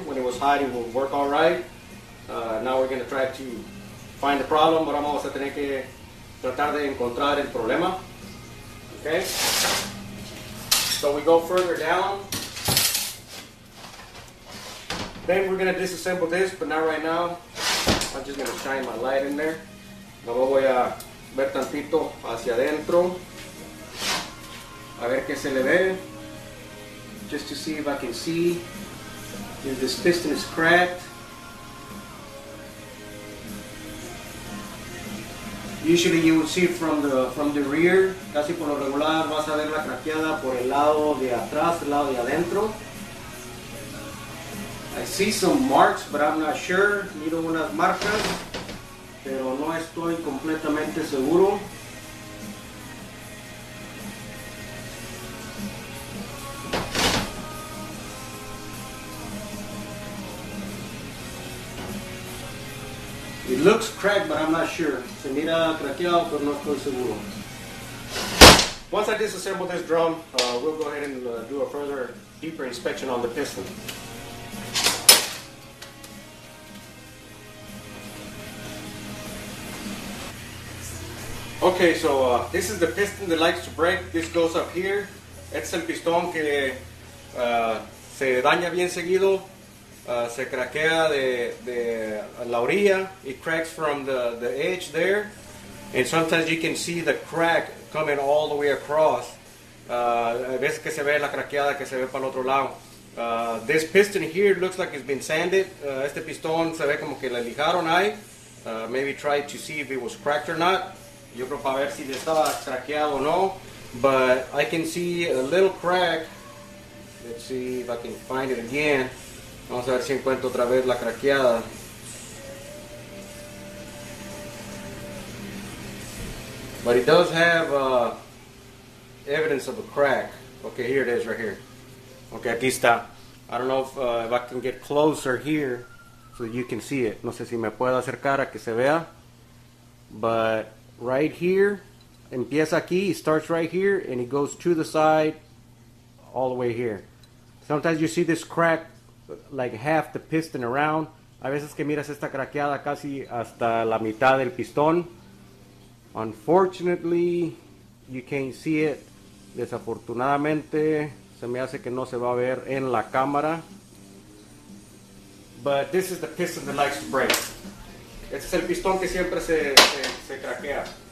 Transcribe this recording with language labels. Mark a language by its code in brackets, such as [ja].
[en] When it was hot, it would work all right. Now we're going to try to find the problem. [es] Ahora vamos a tener que tratar de encontrar el problema. [en] Okay. So we go further down. Then we're going to disassemble this, but not right now. I'm just going to shine my light in there. [es] No lo voy a ver tantito hacia adentro. A ver qué se le ve. [en] Just to see if I can see if this piston is cracked. Usually you will see from the rear. [es] Casi por lo regular vas a ver la craqueada por el lado de atrás, el lado de adentro. [en] I see some marks, but I'm not sure. [es] Miro unas marcas, pero no estoy completamente seguro. [en] It looks cracked, but I'm not sure. [es] Se mira craqueado, pero no estoy seguro. [en] Once I disassemble this drum, we'll go ahead and do a further deeper inspection on the piston. Okay, so this is the piston that likes to break. This goes up here. [es] Es el pistón que se daña bien seguido. Se craquea de la orilla. [en] It cracks from the edge there. And sometimes you can see the crack coming all the way across. [es] A veces que se ve la craqueada que se ve para el otro lado. [en] This piston here looks like it's been sanded. [es] Este pistón se ve como que la lijaron ahí. [en] Maybe try to see if it was cracked or not. [es] Yo creo para ver si estaba craqueado o no, [en] but I can see a little crack. Let's see if I can find it again. [es] Vamos a ver si encuentro otra vez la craqueada. [en] But it does have evidence of a crack. Okay, here it is right here. [es] Okay, aquí está. [en] I don't know if I can get closer here so you can see it. [es] No sé si me puedo acercar a que se vea, [en] but right here, [es] empieza aquí, [en] it starts right here, and it goes to the side, all the way here. Sometimes you see this crack, like half the piston around. [es] A veces que miras esta craqueada casi hasta la mitad del pistón. [en] Unfortunately, you can't see it. [es] Desafortunadamente, se me hace que no se va a ver en la cámara. [en] But this is the piston that likes to break. [es] Este es el pistón que siempre se craquea.